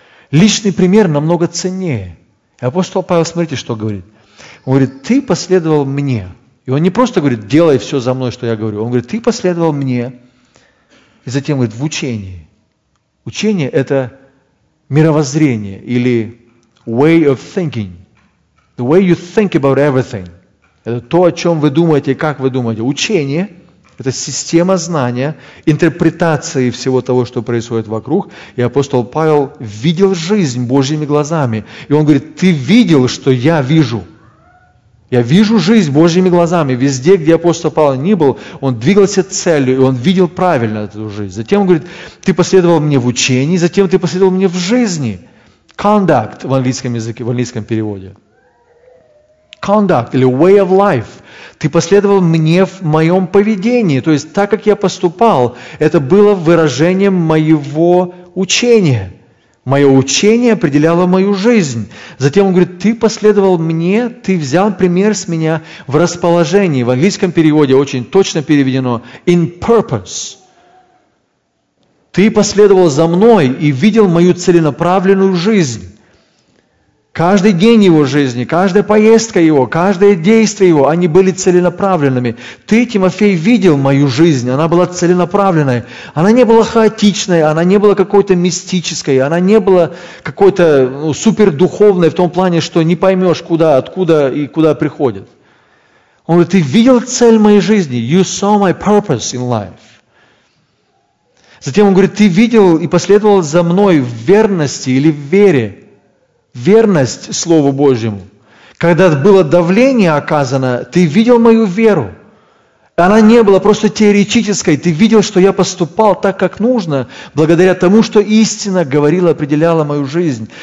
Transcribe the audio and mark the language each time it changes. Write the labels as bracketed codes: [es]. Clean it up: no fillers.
[ru] Личный пример намного ценнее. И апостол Павел, смотрите, что говорит. Он говорит: ты последовал мне. И он не просто говорит: делай все за мной, что я говорю. Он говорит: ты последовал мне. И затем говорит: в учении. Учение – это мировоззрение или [en] way of thinking. The way you think about everything. [ru] Это то, о чем вы думаете и как вы думаете. Учение – это система знания, интерпретации всего того, что происходит вокруг. И апостол Павел видел жизнь Божьими глазами. И он говорит: ты видел, что я вижу. Я вижу жизнь Божьими глазами. Везде, где апостол Павел ни был, он двигался целью, и он видел правильно эту жизнь. Затем он говорит: ты последовал мне в учении, затем ты последовал мне в жизни. Conduct в английском языке, в английском переводе. Conduct или [en] way of life. [ru] Ты последовал мне в моем поведении. То есть так, как я поступал, это было выражением моего учения. Мое учение определяло мою жизнь. Затем он говорит: ты последовал мне, ты взял пример с меня в расположении. В английском переводе очень точно переведено [en] in purpose. [ru] Ты последовал за мной и видел мою целенаправленную жизнь. Каждый день его жизни, каждая поездка его, каждое действие его, они были целенаправленными. Ты, Тимофей, видел мою жизнь, она была целенаправленной. Она не была хаотичной, она не была какой-то мистической, она не была какой-то супердуховной в том плане, что не поймешь, куда, откуда и куда приходит. Он говорит: ты видел цель моей жизни. [en] You saw my purpose in life. [ru] Затем он говорит: ты видел и последовал за мной в верности или в вере. Верность Слову Божьему. Когда было давление оказано, ты видел мою веру. Она не была просто теоретической. Ты видел, что я поступал так, как нужно, благодаря тому, что истина говорила, определяла мою жизнь.